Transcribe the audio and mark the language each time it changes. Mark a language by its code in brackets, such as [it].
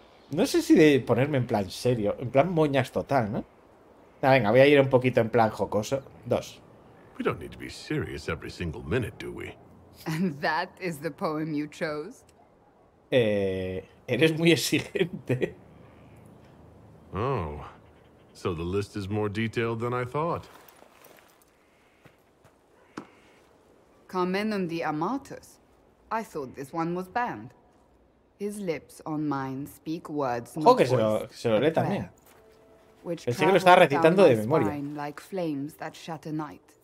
[es] No sé si de ponerme en plan serio. En plan moñas total, ¿no? Ah, venga, voy a ir un poquito en plan jocoso. Dos. [en] We don't need to be serious every single minute, do we? And that is the poem you chose? [es] Eres muy exigente. Oh. [en] So the list is more detailed than I thought. Commendum de Amatus. I thought this one was banned. His lips on mine speak words not voiced. [es] Ojo, que se lo lee también. Pensé que lo estaba recitando de memoria. [en] Like flames that shatter night.